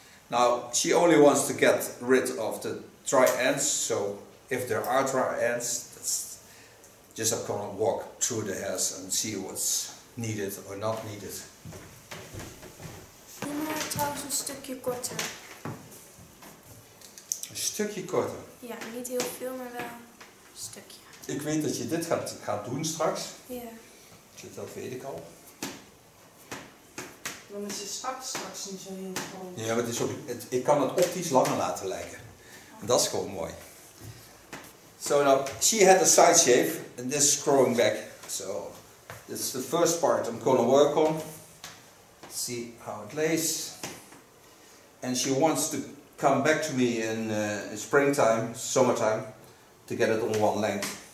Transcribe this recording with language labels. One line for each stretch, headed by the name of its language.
English: Now, she only wants to get rid of the dry ends, so if there are dry ends, just I'm gonna walk through the hairs and see what's needed or not needed.
Dutch: Neem maar trouwens een stukje korter. Een stukje korter? Ja, niet heel veel, maar wel een stukje. Ik weet dat je dit gaat doen straks. Ja. Yeah. Dat weet ik al. Dan is het straks niet zo heel groot. Ja, maar ik kan het optisch langer laten lijken. En dat is gewoon mooi.
English: So now, she had a side shave and this is growing back. So, this is the first part I'm gonna work on. See how it lays. And she wants to come back to me in springtime, summertime, to get it on one length.